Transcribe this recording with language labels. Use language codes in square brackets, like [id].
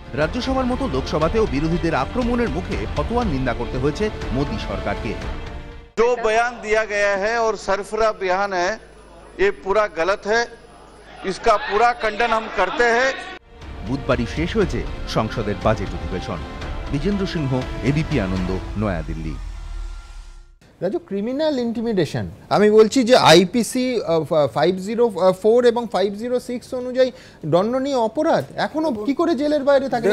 [bn] রাজ্যসভার মতো লোকসভাতেও বিরোধীদের আক্রমণের মুখে ফতোয়ার নিন্দা করতে হয়েছে মোদী সরকারকে। [hi] जो बयान दिया गया है और सरफरा बयान है ये पूरा गलत है, इसका पूरा खंडन हम करते हैं। [bn] বুধবারই শেষ হয়েছে সংসদের বাজেট অধিবেশন। বিজেন্দ্র সিংহ, এবিপি আনন্দ, নয়া দিল্লি। রাজু, ক্রিমিনাল ইন্টিমিডেশন, আমি বলছি যে আইপিসি 504 এবং 506 অনুযায়ী দণ্ডনীয় অপরাধ, এখনো কি করে জেলের বাইরে থাকে?